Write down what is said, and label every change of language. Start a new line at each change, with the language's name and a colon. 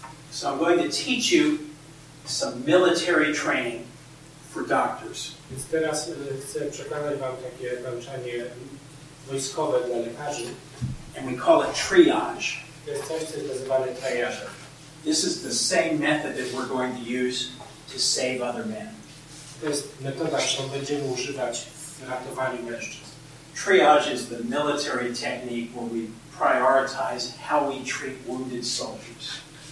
English: So I'm going to teach you some military training for doctors.
Polish: Więc teraz chcę przekazać wam takie nauczanie wojskowe dla lekarzy.
English: And we call it triage.
Polish: To jest coś, co jest nazywane triażem.
English: This is the same method that we're going to use to save other men.
Polish: To jest metoda, którą będziemy używać w ratowaniu mężczyzn.
English: Triage is the military technique where we prioritize how we treat wounded soldiers.